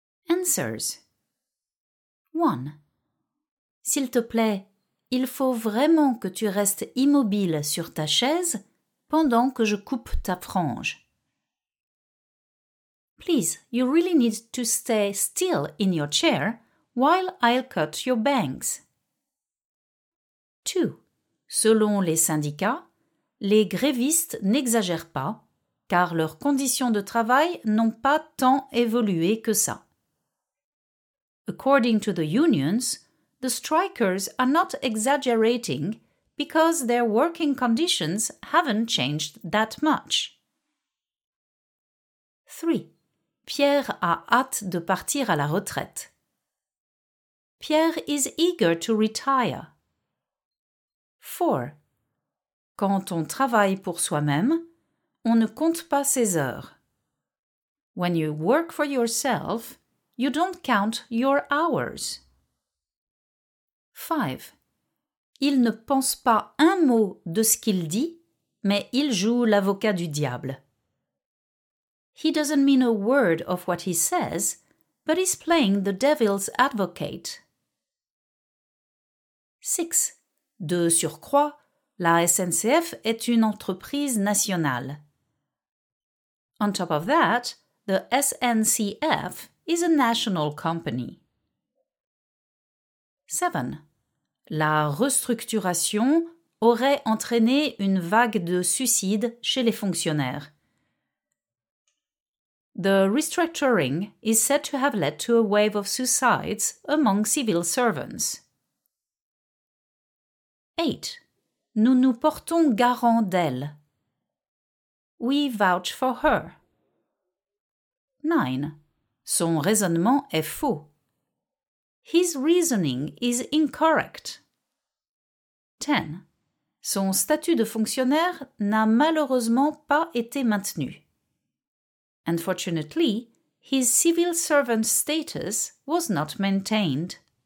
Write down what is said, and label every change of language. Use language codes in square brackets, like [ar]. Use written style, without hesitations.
[en] Answers. [fr] 1. S'il te plaît, il faut vraiment que tu restes immobile sur ta chaise pendant que je coupe ta frange. [en] Please, you really need to stay still in your chair while I'll cut your bangs. 2. [fr] Selon les syndicats, les grévistes n'exagèrent pas, car leurs conditions de travail n'ont pas tant évolué que ça. [en] According to the unions, the strikers are not exaggerating because their working conditions haven't changed that much. 3. [fr] Pierre a hâte de partir à la retraite. [en] Pierre is eager to retire. [fr] 4. Quand on travaille pour soi-même, on ne compte pas ses heures. [en] When you work for yourself, you don't count your hours. 5. [fr] Il ne pense pas un mot de ce qu'il dit, mais il joue l'avocat du diable. [en] He doesn't mean a word of what he says, but he's playing the devil's advocate. 6. [fr] De surcroît, la SNCF est une entreprise nationale. [en] On top of that, the SNCF is a national company. 7. [fr] La restructuration aurait entraîné une vague de suicides chez les fonctionnaires. [en] The restructuring is said to have led to a wave of suicides among civil servants. [fr] 8. Nous nous portons garant d'elle. [en] We vouch for her. [fr] 9. Son raisonnement est faux. [en] His reasoning is incorrect. [fr] 10. Son statut de fonctionnaire n'a malheureusement pas été maintenu. [en] Unfortunately, his civil servant status was not maintained.